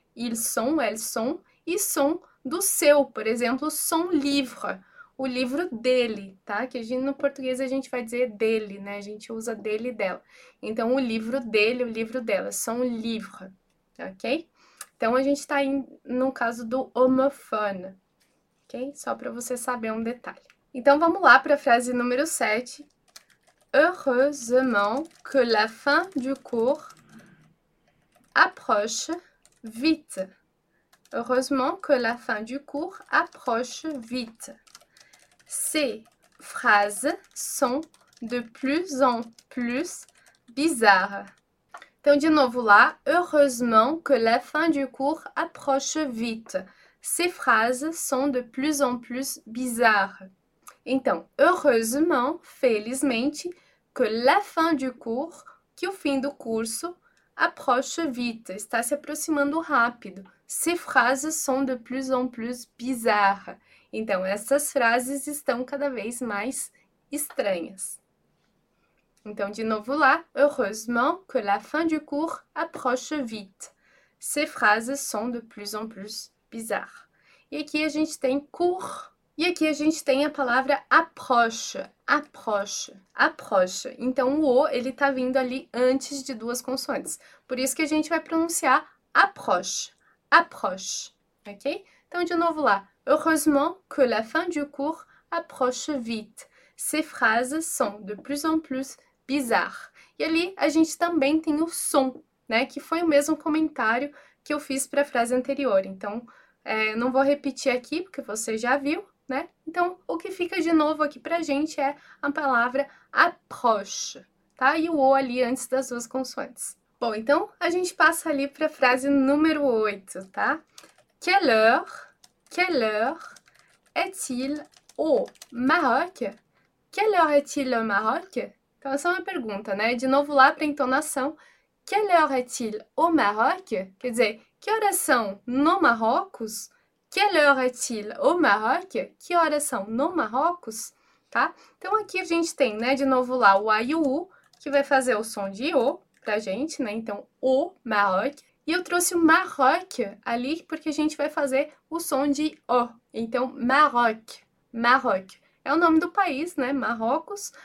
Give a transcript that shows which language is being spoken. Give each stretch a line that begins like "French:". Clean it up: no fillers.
Portuguese: Il son, elle son, e som do seu, por exemplo, son livre, o livro dele, tá? Que a gente, no português a gente vai dizer dele, né? A gente usa dele e dela. Então, o livro dele, o livro dela, son livre, ok? Então, a gente está no caso do homofone, ok? Só para você saber um detalhe. Então, vamos lá para a frase número 7.
French: Heureusement que la fin du cours approche vite. Heureusement que la fin du cours approche vite. Ces phrases sont de plus en plus bizarres.
Portuguese: Então, de novo lá.
French: Heureusement que la fin du cours approche vite. Ces phrases sont de plus en plus bizarres.
Portuguese: Então,
French: heureusement,
Portuguese: felizmente,
French: que la fin du cours,
Portuguese: que o fim do curso,
French: approche vite,
Portuguese: está se aproximando rápido.
French: Ces phrases sont de plus en plus bizarres.
Portuguese: Então, essas frases estão cada vez mais estranhas. Então, de novo lá.
French: Heureusement que la fin du cours approche vite. Ces phrases sont de plus en plus bizarres.
Portuguese: E aqui a gente tem cours. E aqui a gente tem a palavra approche, approche, approche. Então, o O, ele tá vindo ali antes de duas consoantes. Por isso que a gente vai pronunciar approche, approche, ok? Então, de novo lá.
French: Heureusement que la fin du cours approche vite. Ces phrases sont de plus en plus bizarres.
Portuguese: E ali a gente também tem o som, né? Que foi o mesmo comentário que eu fiz para a frase anterior. Então, não vou repetir aqui porque você já viu. Né? Então, o que fica de novo aqui para a gente é a palavra approche, tá? E o O ali antes das duas consoantes. Bom, então a gente passa ali para a frase número 8, tá?
French: Quelle heure est-il au Maroc? Quelle heure est-il au Maroc?
Portuguese: Então, essa é uma pergunta, né? De novo lá para a entonação.
French: Quelle heure est-il au Maroc?
Portuguese: Quer dizer, que horas são no Marrocos?
French: Quelle heure est-il au Maroc?
Portuguese: Que horas são no Marrocos? Tá? Então aqui a gente tem, né, de novo lá o A e o U, que vai fazer o som de O pra gente, né? Então, o Maroc. E eu trouxe o Maroc ali porque a gente vai fazer o som de O. Então, Maroc. Maroc. É o nome do país, né? Marrocos.